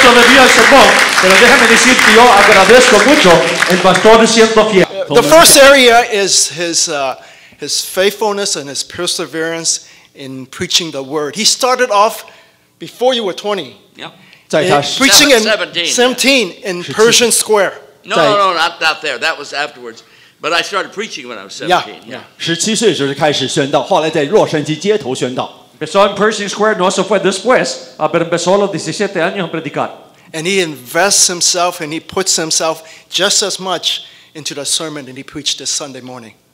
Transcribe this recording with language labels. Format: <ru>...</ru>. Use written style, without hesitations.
<es>todavía ser bon, pero déjame decirte yo agradezco mucho el pastor siendo fiel.</es> <en>The first area is his faithfulness and his perseverance in preaching the word. He started off before you were 20. Yeah. Preaching in 17 in Pershing Square. No, not there. That was afterwards. But I started preaching when I was 17. Yeah.</en> <zh>17岁时候就开始宣道，后来在洛杉矶街头宣道.</zh> <es>Empezó en Pershing Square, no se fue después, pero empezó a los 17 años a predicar.</es> <en>And he invests himself and he puts himself just as much into the sermon that he preached this Sunday morning.</en>